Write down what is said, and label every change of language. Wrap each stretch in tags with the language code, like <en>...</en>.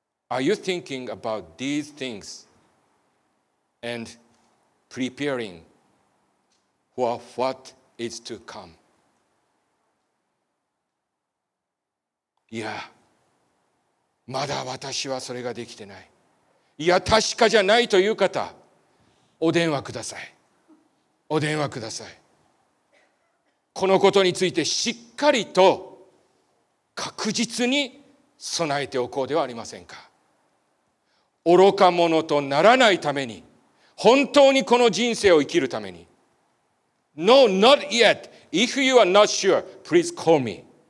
<en>Are you thinking about these things and preparing for what is to come? Yeah.</en> <ja>まだ私はそれができてない、いや確かじゃないという方、お電話ください。お電話ください。このことについてしっかりと確実に備えておこうではありませんか。愚か者とならないために、本当にこの人生を生きるために。</ja> <en>No, not yet. If you are not sure, please call me.</en>